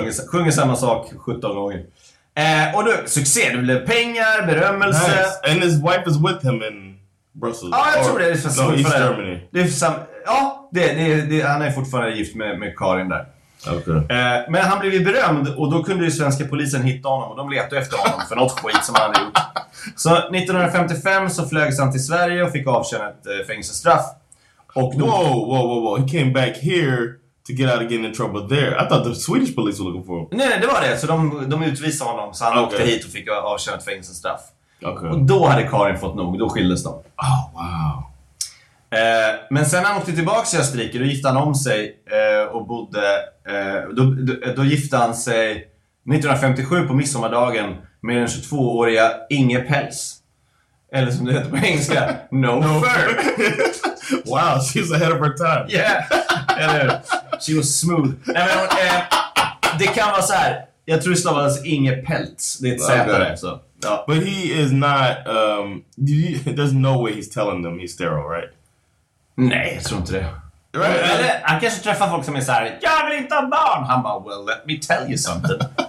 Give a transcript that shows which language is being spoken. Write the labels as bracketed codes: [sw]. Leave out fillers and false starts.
[sv] Sjunger samma sak 17 gånger. Och då, succé, det blev pengar, berömmelse. Nice. [en] And his wife is with him in Brussels. [sv] Ja, jag tror det. Det är [en] no, East [sv] det. [en] Germany. [sv] Det är ja, det, han är fortfarande gift med Karin där. [en] Okay. [sv] Men han blev ju berömd och då kunde ju svenska polisen hitta honom. Och de letade efter honom för något skit som han hade gjort. Så 1955 så flögs han till Sverige och fick avtjäna ett fängelsestraff. Och då, [en] whoa, he came back here. To get out of getting in trouble there. I thought the Swedish police were looking for him. [sv] Nej, det var det. Så de utvisade honom. Så han åkte hit och fick avtjänat fängelsestraff. [en] Okay. [sv] Och då hade Karin fått nog, då skildes de. [en] Oh, wow. [sv] Men sen när han åkte tillbaka till Österrike, då gifte han om sig och bodde, då gifte han sig 1957 på midsommardagen med den 22-åriga Inge Pels. Eller som det heter på engelska, [en] no, no fur. Wow, she's ahead of her time. Yeah, [sv] eller [en] she was smooth. [sv] Nej, men, det kan vara så här. Jag tror det stavades Inge Pels. Det är ett sätt där. [en] But he is not, there's no way he's telling them he's sterile, right? [sv] Nej, jag tror inte det. [en] Right. [sv] Eller, han kanske träffar folk som är såhär, jag vill inte ha barn. Han bara, [en] well, let me tell you something.